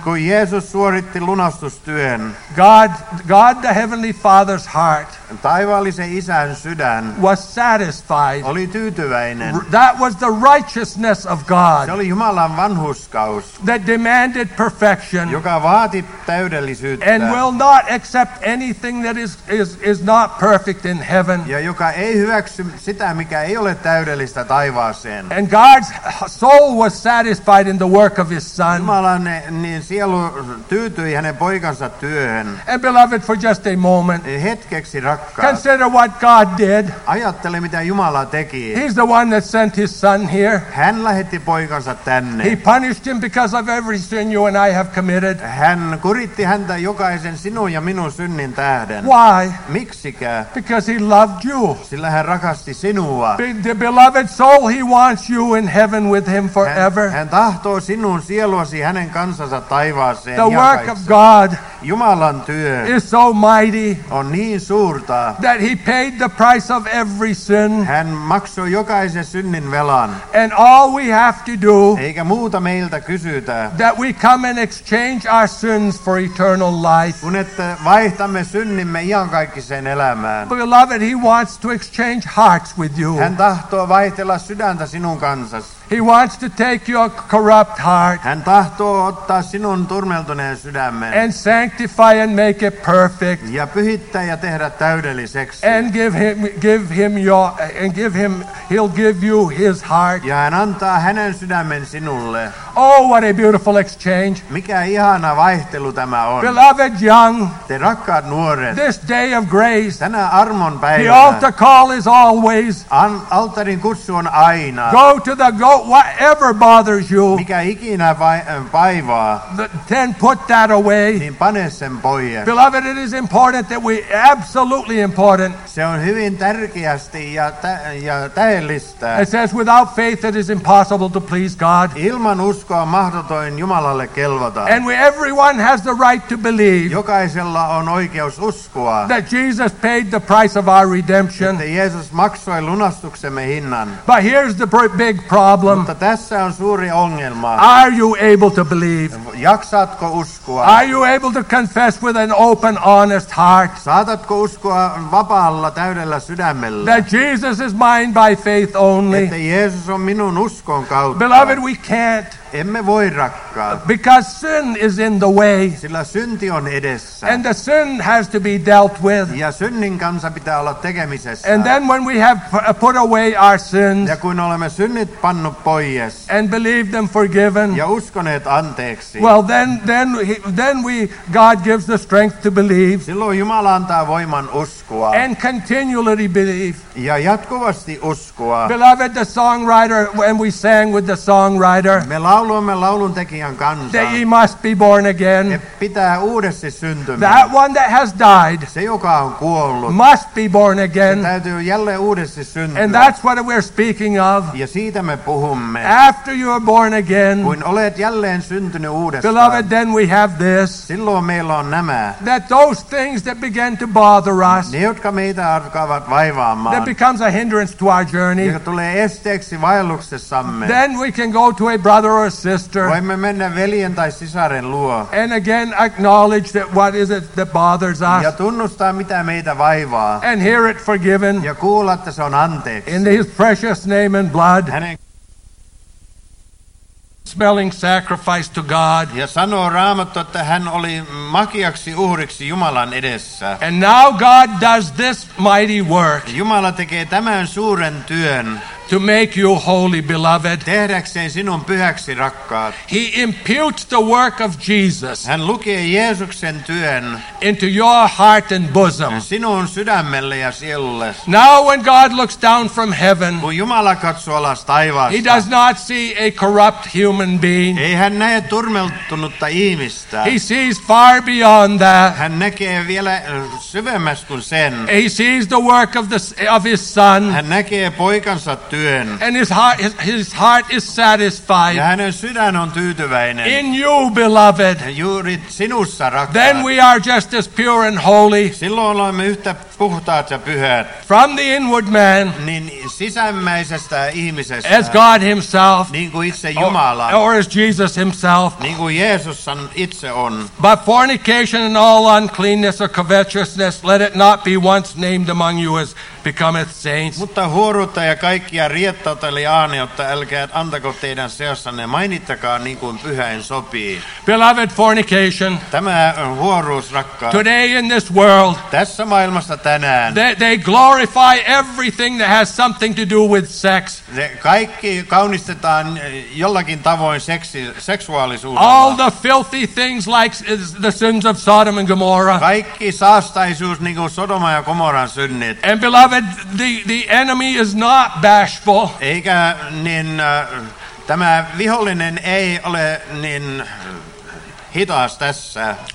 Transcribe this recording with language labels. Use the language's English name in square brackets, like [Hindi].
[Finnish] kun Jeesus suoritti lunastustyön, [English] God the Heavenly Father's heart, [Finnish] taivaallisen isän sydän, [English] was satisfied. [Finnish] Oli tyytyväinen. [English] That was the righteousness of God. [Finnish] Se oli Jumalan vanhurskaus, [English] that demanded perfection, [Finnish] joka vaati täydellisyyttä, [English] and will not accept anything that is not perfect in heaven, [Finnish] ja joka ei hyväksy sitä, mikä ei ole täydellistä taivaaseen. [English] And God's soul was satisfied in the work of his son. [Finnish] Jumalan niin sielu tyytyi hänen poikansa työhön. [English] And beloved, for just a moment, [Finnish] hetkeksi rakkaat, [English] consider what God did. [Finnish] Ajattele, mitä Jumala teki. [English] He's the one that sent his son here. [Finnish] Hän lähetti poikansa tänne. [English] He punished him because of every sin you and I have committed. [Finnish] Hän kuritti häntä jokaisen sinun ja minun synnin tähden. [English] Why? [Finnish] Miksikä? [English] Because he loved you. [Finnish] Sillä hän rakasti sinua. [English] The beloved soul, he wants you in heaven with him forever. [Finnish] Hän tahtoo sinun sieluasi hänen kansansa taivaaseen. [English] The work of God, [Finnish] Jumalan työ, [English] is so mighty, [Finnish] on niin suurta, [English] that he paid the price of every sin. [Finnish] Hän maksoi jokaisen synnin velan. [English] And all we have to do, [Finnish] eikä muuta meiltä kysytä, [English] that we come and exchange our sins for eternal life. [Finnish] Kun että vaihtamme synnimme iankaikkiseen elämään. [English] Beloved, he wants to exchange hearts with you. [Finnish] Hän tahtoo vaihtella sydäntä sinun kanssasi. [English] He wants to take your corrupt heart, [Finnish] hän tahtoo ottaa sinun turmeltuneen sydämen, [English] and sanctify and make it perfect, [Finnish] ja pyhittää ja tehdä täydelliseksi, [English] and give him he'll give you his heart, [Finnish] ja hän antaa hänen sydämen sinulle. [English] Oh, what a beautiful exchange. [Finnish] Mikä ihana vaihtelu tämä on. [English] Beloved young, [Finnish] te rakkaat nuoret, [English] this day of grace, [Finnish] tänä armon päivänä, [English] the altar call is always, [Finnish] altarin kutsu on aina, [English] go to the go, whatever bothers you, [Finnish] mikä ikinä vaivaa, [English] then put that away, [Finnish] niin pane sen pois. [English] Beloved, it is important that we, absolutely important, [Finnish] se on hyvin tärkeästi ja täellistä. [English] It says, without faith it is impossible to please God. [Finnish] Ilman uskoa mahdotoin Jumalalle kelvata. [English] And we, everyone has the right to believe, [Finnish] jokaisella on oikeus uskoa, [English] that Jesus paid the price of our redemption, [Finnish] että Jeesus maksoi lunastuksemme hinnan. [English] But here's the big problem. [Finnish] Mutta tässä on suuri ongelma. [English] Are you able to believe? [Finnish] Jaksatko uskoa? [English] Are you able to confess with an open, honest heart? [Finnish] Saatatko uskoa vapaalla, täydellä sydämellä? [English] That Jesus is mine by faith only. [Finnish] Että Jeesus on minun uskon kautta. [English] Beloved, we can't. [Finnish] Emme voi rakkaa. [English] Because sin is in the way. [Finnish] Sillä synti on edessä. [English] And the sin has to be dealt with. [Finnish] Ja synnin kanssa pitää olla tekemisessä. [English] And then when we have put away our sins, [Finnish] ja kun olemme synnit pannut pois, [English] and believed them forgiven, [Finnish] ja uskoneet anteeksi, [English] well then God gives the strength to believe. [Finnish] Silloin Jumala antaa voiman uskoa. [English] And continually believe. [Finnish] Ja jatkuvasti uskoa. [English] Beloved, the songwriter, when we sang with the songwriter, [Finnish] lauluamme lauluntekijän kanssa, [English] that he must be born again, [Finnish] pitää uudesti syntymä, [English] that one that has died, [Finnish] se joka on kuollut, [English] must be born again, [Finnish] se täytyy jälleen uudesti syntyä, [English] and that's what we're speaking of, [Finnish] ja siitä me puhumme, [English] after you are born again, [Finnish] kun olet jälleen syntynyt uudestaan, [English] beloved, then we have this, [Finnish] silloin meillä on nämä, [English] that those things that began to bother us, [Finnish] ne jotka meitä alkavat vaivaamaan, [English] that becomes a hindrance to our journey, [Finnish] joka tulee esteeksi vaelluksessamme, [English] then we can go to a brother or a sister, [Finnish] voimme mennä veljen tai sisaren luo, [English] and again acknowledge that what is it that bothers us, [Finnish] ja tunnustaa mitä meitä vaivaa, [English] and hear it forgiven, [Finnish] ja kuulla, että se on anteeksi, [English] in his precious name and blood, smelling sacrifice to God. [Finnish] Ja sanoo Raamattu, että hän oli makiaksi uhriksi Jumalan edessä. [English] And now God does this mighty work. [Finnish] Jumala tekee tämän suuren työn. [English] to make you holy, beloved. [Finnish] Tehdäkseen sinun pyhäksi, rakkaat. [English] He imputes the work of Jesus. [Finnish] Hän lukee Jeesuksen työn [English] into your heart and bosom. [Finnish] Sinun sydämelle ja sielulle. [English] Now when God looks down from heaven, [Finnish] kun Jumala katsoo alas taivaasta, [English] he does not see a corrupt human being. [Finnish] Ei hän näe turmeltunutta ihmistä. [English] He sees far beyond that. [Finnish] Hän näkee vielä syvemmäs kuin sen. [English] He sees the work of his son. [Finnish] Hän näkee poikansa työn. [English] And his heart is satisfied. [Finnish] Ja hänen sydän on tyytyväinen. [English] In you, beloved. [Finnish] Juuri sinussa, rakkaat. [English] Then we are just as pure and holy. [Finnish] Silloin olemme yhtä puhtaat ja pyhät. [English] From the inward man. [Finnish] Niin sisimmäisestä ihmisestä. [English] As God himself. [Finnish] Niin kuin itse Jumala. [English] Or as Jesus himself. [Finnish] Niin kuin Jeesus itse on. [English] But fornication and all uncleanness or covetousness, let it not be once named among you as becometh saints. [Finnish] Mutta huoruutta ja kaikkia riettautta eli aaniotta älkää antako teidän seossanne, mainittakaa niin kuin pyhäin sopii. [English] Beloved, fornication. [Finnish] Tämä on huoruus, rakkaat. [English] Today in this world. [Finnish] Tässä maailmassa tänään. [English] They glorify everything that has something to do with sex. [Finnish] Kaikki kaunistetaan jollakin tavoin seksuaalisuudella. [English] All the filthy things like the sins of Sodom and Gomorrah. [Finnish] Kaikki saastaisuus niin kuin Sodoma ja Gomorran synnit. [English] And beloved, the enemy is not bashful. [Finnish] Eikä niin tämä vihollinen ei ole niin hitaas tässä.